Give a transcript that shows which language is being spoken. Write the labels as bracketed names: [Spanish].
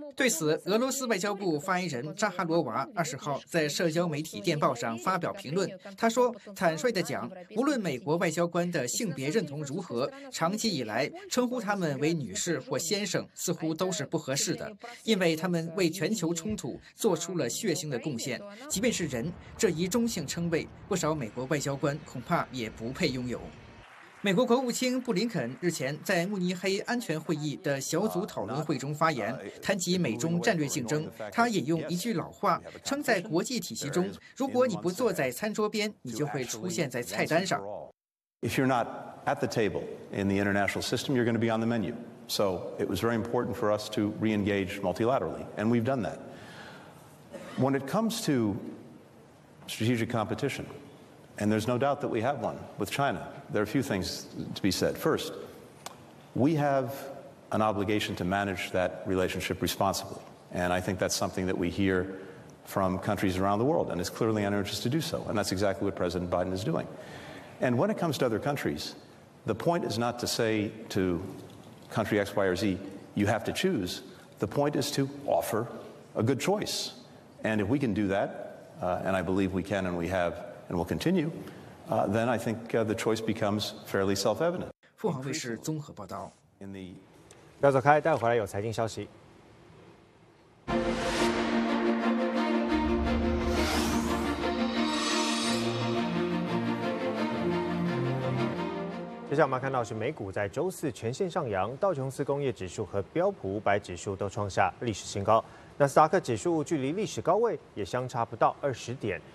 [Chinese] 对此，俄罗斯外交部发言人扎哈罗娃20号在社交媒体电报上发表评论，他说，坦率地讲，无论美国外交官的性别认同如何，长期以来称呼他们为女士或先生似乎都是不合适的，因为他们为全球冲突做出了血腥的贡献，即便是人这一中性称谓，不少美国外交官恐怕也不配拥有。美国国务卿布林肯日前在慕尼黑安全会议的小组讨论会中发言，谈及美中战略竞争，他引用一句老话，称在国际体系中，如果你不坐在餐桌边，你就会出现在菜单上。 [English] If you're not at the table in the international system, you're going to be on the menu. So it was very important for us to re-engage multilaterally, and we've done that. When it comes to strategic competition, and there's no doubt that we have one with China, there are a few things to be said. First, we have an obligation to manage that relationship responsibly, and I think that's something that we hear from countries around the world, and it's clearly in our interest to do so, and that's exactly what President Biden is doing. And when it comes to other countries, the point is not to say to country X, Y, or Z, you have to choose. The point is to offer a good choice. And if we can do that, and I believe we can and we have and will continue, then I think the choice becomes fairly self-evident. [Chinese] 凤凰卫视综合报道。不要走开，待会回来有财经消息。接下来我们看到是美股在周四全线上扬，道琼斯工业指数和标普500指数都创下历史新高，纳斯达克指数距离历史高位也相差不到20点。